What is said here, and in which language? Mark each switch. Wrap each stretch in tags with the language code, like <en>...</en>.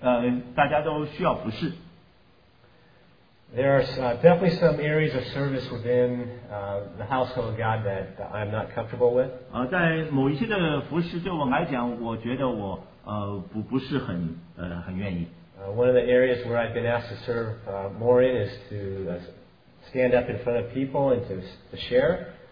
<zh>对于弟兄姊妹，大家都需要服侍。</zh> <en>There are definitely some areas of service within the household of God that I'm not comfortable with.</en> <zh>在某一些的服侍，对我来讲，我觉得我不是很愿意。</zh> <en>One of the areas where I've been asked to serve more in is to stand up in front of people and to share.</en>